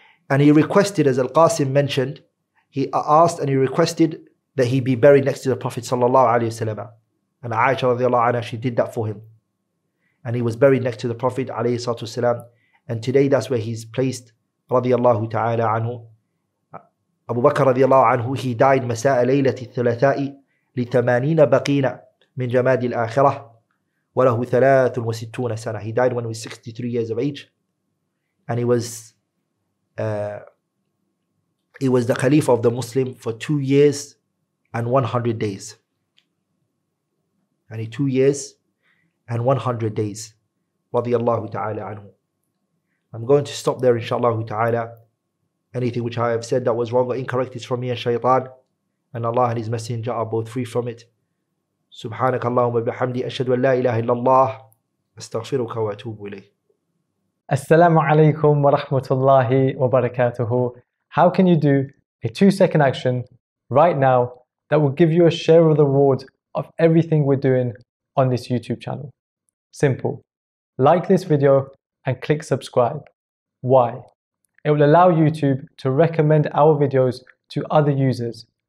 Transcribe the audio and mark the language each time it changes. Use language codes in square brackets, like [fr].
[en] And he requested, as Al-Qasim mentioned, he asked and he requested that he be buried next to the Prophet sallallahu alayhi wa sallam. And Aisha radiallahu anha, she did that for him. And he was buried next to the Prophet alayhi salatu wasalam. And today that's where he's placed, radiallahu ta'ala anhu. [ar] Abu Bakr radiallahu anhu, [en] he died [ar] مساء ليلة الثلاثاء لثمانين بقينا من جماد الآخرة وله ثلاث وستون سنة. [en] He died when he was 63 years of age. And he was the Khalifa of the Muslim for 2 years and 100 days. And 2 years and 100 days. Radiallahu ta'ala anhu. I'm going to stop there, inshallah ta'ala. Anything which I have said that was wrong or incorrect is from me and shaytan. And Allah and His Messenger are both free from it. [ar] سبحانك اللهم وبحمدك أشهد أن لا إله إلا الله أستغفرك وأتوب إليك. السلام عليكم ورحمة الله وبركاته. [en] How can you do a 2-second action right now that will give you a share of the reward of everything we're doing on this YouTube channel? Simple. Like this video and click subscribe. Why? It will allow YouTube to recommend our videos to other users.